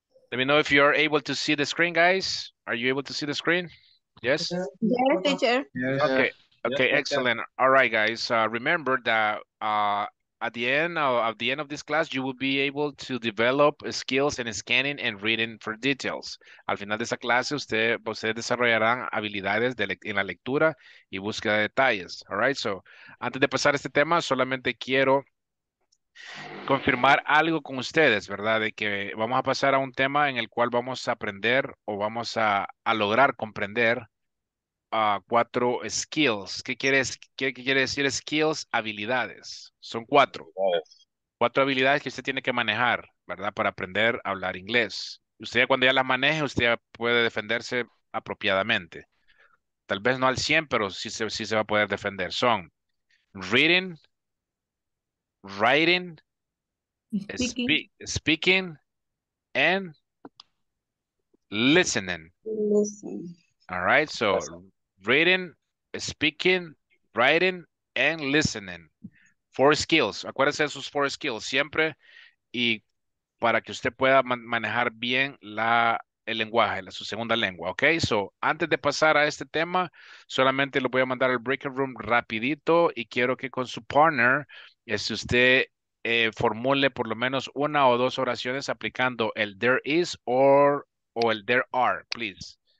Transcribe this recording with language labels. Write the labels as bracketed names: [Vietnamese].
[English] Let me know if you are able to see the screen, guys. Are you able to see the screen? Yes? Yes, teacher. Okay, yes, excellent. Teacher. All right, guys. Remember that at the end of this class, you will be able to develop skills in scanning and reading for details. [Spanish] Al final de esa clase, ustedes desarrollarán habilidades en la lectura y búsqueda de detalles. [English] All right, [Spanish] so antes de pasar este tema, solamente quiero confirmar algo con ustedes, ¿verdad? De que vamos a pasar a un tema en el cual vamos a aprender o vamos a lograr comprender cuatro skills. ¿Qué quiere decir skills? Habilidades. Son cuatro. Cuatro habilidades que usted tiene que manejar, ¿verdad? Para aprender a hablar inglés. Usted cuando ya las maneje, usted ya puede defenderse apropiadamente. Tal vez no al 100, pero sí se va a poder defender. Son [English] reading, writing, speaking, and listening. Listen. All right, so reading, speaking, writing, and listening. Four skills. [Spanish] Acuérdense de sus [English] four skills [Spanish] siempre. Y para que usted pueda manejar bien el lenguaje, su segunda lengua. Okay, so antes de pasar a este tema, solamente lo voy a mandar al breakout room rapidito y quiero que con su partner, si usted formule por lo menos una o dos oraciones aplicando el there is o el there are, please.